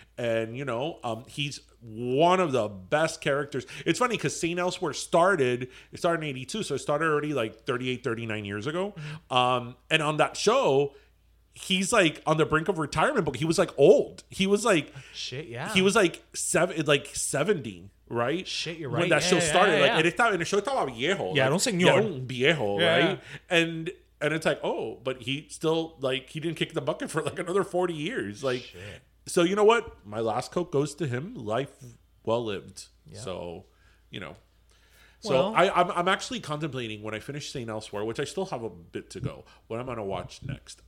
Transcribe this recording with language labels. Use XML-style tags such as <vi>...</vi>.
<en>And you know, he's one of the best characters. It's funny because Saint Elsewhere started in 82, so it started already like 38, 39 years ago. Mm-hmm. And on that show, he's like on the brink of retirement, but he was like old. He was like, shit, yeah. He was like 70, right? Shit, you're right. When that show started,</en> <es>en el show estaba viejo.</es> <en>Yeah,</en> <es>don señor. Era un viejo,</es> <en>yeah, right? Yeah. And it's like, oh, but he still, like, he didn't kick the bucket for like another 40 years. Like, shit. So you know what? My last Coke goes to him. Life well lived. Yeah. So, you know. So well, I'm actually contemplating when I finish Saint Elsewhere, which I still have a bit to go, what I'm going to watch next.</en>